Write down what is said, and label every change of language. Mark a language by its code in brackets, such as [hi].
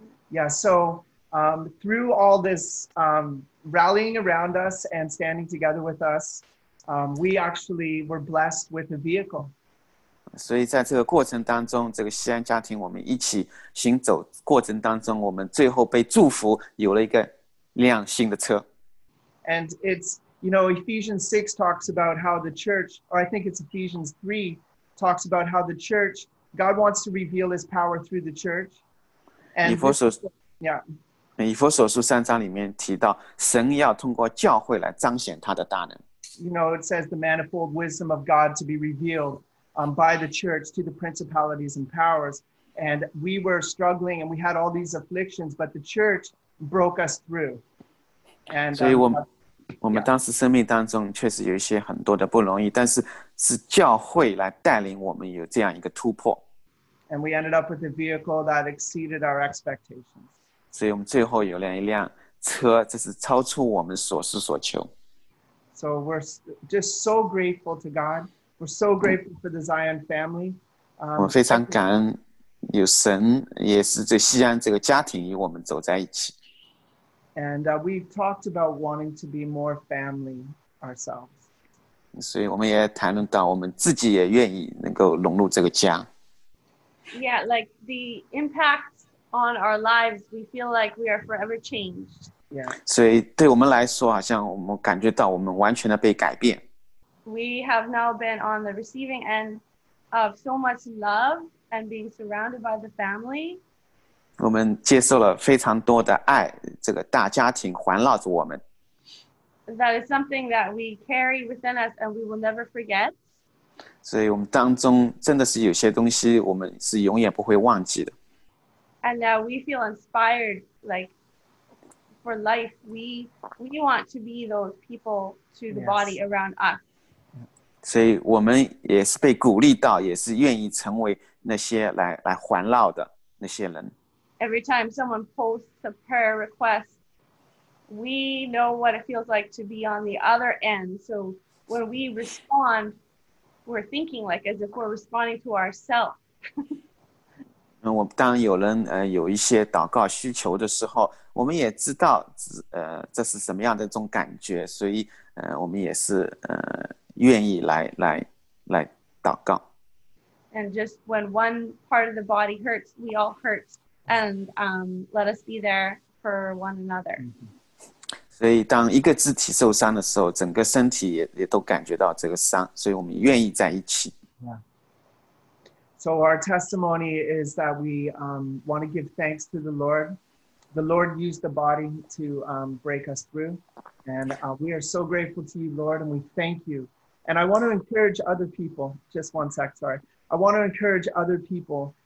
[en] Yeah, so through all this rallying around us and standing together with us, we actually were blessed with a vehicle. [zh] 所以在这个过程当中，这个西安家庭我们一起行走过程当中，我们最后被祝福，有了一个辆新的车。 [en] And it's, you know, Ephesians 6 talks about how the church, or I think it's Ephesians 3, talks about how the church, God wants to reveal his power through the church. And yeah. [zh] 以弗所书三章里面提到，神要通过教会来彰显他的大能。 [en] You know, it says the manifold wisdom of God to be revealed. By the church to the principalities and powers. And we were struggling and we had all these afflictions, but the church broke us through. And, [zh] 所以我们当时生命当中确实有一些很多的不容易，但是是教会来带领我们有这样一个突破。 [en] And we ended up with a vehicle that exceeded our expectations. [zh] 所以我们最后有了一辆车，这是超出我们所思所求。 [en] So we're just so grateful to God. We're so grateful for the Zion family. [zh] 我非常感恩有神，也是这西安这个家庭与我们走在一起。 [en] And we've talked about wanting to be more family ourselves. [zh] 所以我们也谈论到我们自己也愿意能够融入这个家。 [en] Yeah, like the impact on our lives, we feel like we are forever changed. Yeah. [zh] 所以对我们来说，好像我们感觉到我们完全的被改变。 [en] We have now been on the receiving end of so much love and being surrounded by the family. [zh] 我们接受了非常多的爱，这个大家庭环绕着我们。 [en] That is something that we carry within us and we will never forget. [zh] 所以我们当中真的是有些东西我们是永远不会忘记的。 [en] And now we feel inspired, like, for life. We want to be those people to the body around us. [zh] 所以我们也是被鼓励到，也是愿意成为那些来环绕的那些人。 [en] Every time someone posts a prayer request, we know what it feels like to be on the other end. So when we respond, we're thinking like as if we're responding to ourselves. [zh] 我当有人有一些祷告需求的时候，我们也知道这是什么样的一种感觉，所以我们也是愿意来祷告。 [en] And just when one part of the body hurts, we all hurt and let us be there for one another. [zh] 所以当一个肢体受伤的时候, 整个身体也, 也都感觉到这个伤, 所以我们愿意在一起。 [en] So our testimony is that we want to give thanks to the Lord. The Lord used the body to break us through. And we are so grateful to you, Lord, and we thank you. And I want to encourage other people, just one sec, sorry. I want to encourage other people.